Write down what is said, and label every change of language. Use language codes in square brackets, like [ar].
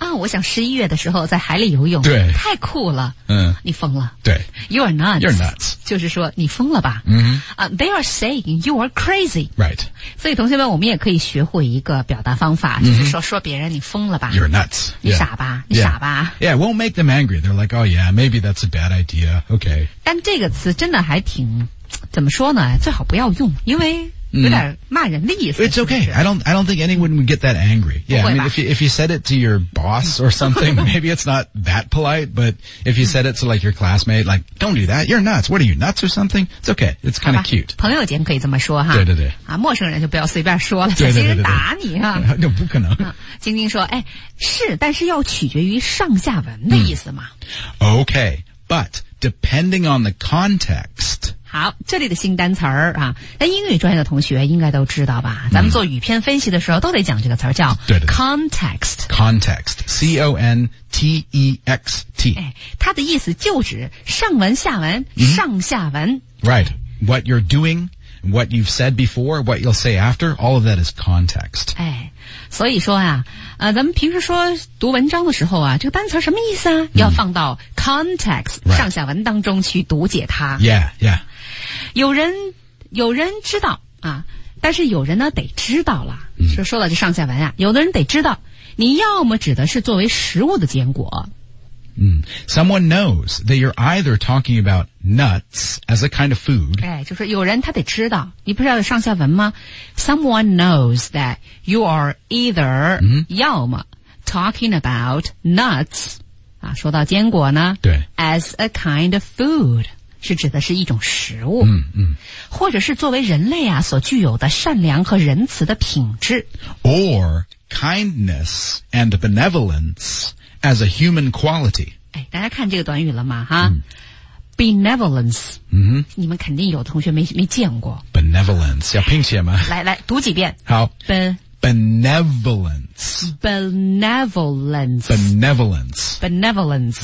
[zh] 啊、哦，我想11月的时候在海里游泳。对，太酷了。嗯，你疯了。对 [en] ，you are nuts. You're nuts. [zh] 就是说你疯了吧？嗯、mm-hmm. [en] ，they are saying you are crazy. Right. [zh] 所以同学们，我们也可以学会一个表达方法，就是说、mm-hmm. 说别人你疯了吧 [en] ？You're nuts. [zh] 你傻吧？ [en] Yeah. [zh] 你傻吧 [en] ？Yeah, it won't make them angry. They're like, oh yeah, maybe that's a bad idea. Okay. [zh] 但这个词真的还挺。怎么说呢最好不要用因为有点骂人的意思。 [en] It's okay. I don't think anyone would get that angry. Yeah, I mean, if you said it to your boss or something, maybe it's not that polite, but if you said it to like your classmate, like, don't do that. You're nuts. What are you, nuts or something? It's okay. It's kind of cute. [zh] 朋友间可以这么说哈。对对对。啊陌生人就不要随便说了小心人打你啊。那不可能。晶晶说哎是但是要取决于上下文的意思嘛。 [en] Okay, but depending on the context, [zh] 好这里的新单词儿啊那英语专业的同学应该都知道吧咱们做语篇分析的时候都得讲这个词儿叫 context。 [en] context, C-O-N-T-E-X-T、哎。 [zh] 它的意思就指上文下文、 mm-hmm. 上下文。 [en] Right, what you're doing, what you've said before, what you'll say after, all of that is context. [zh] 哎所以说啊咱们平时说读文章的时候啊这个单词什么意思啊、 mm-hmm. 要放到 context,、 [en] right. [zh] 上下文当中去读解它。 [en] Yeah, yeah. [zh] 有人知道啊但是有人呢得知道了、嗯、说到这上下文啊有的人得知道你要么指的是作为食物的坚果。 [en] 嗯 ,someone knows that you're either talking about nuts as a kind of food. [zh] 哎就是有人他得知道你不知道有上下文吗 ? [en] someone knows that you are either,、嗯、 [zh] 要么 [en] talking about nuts, [zh] 啊说到坚果呢对 [en] ,as a kind of food. [zh] 是指的是一种食物、嗯嗯、或者是作为人类啊所具有的善良和仁慈的品质 [en] or kindness and benevolence as a human quality、 [zh] 哎、大家看这个短语了吗哈、嗯、 [en] benevolence、嗯、 [zh] 你们肯定有同学没见过 benevolence 要拼写吗来来读几遍好 [en] benevolence benevolence benevolence benevolence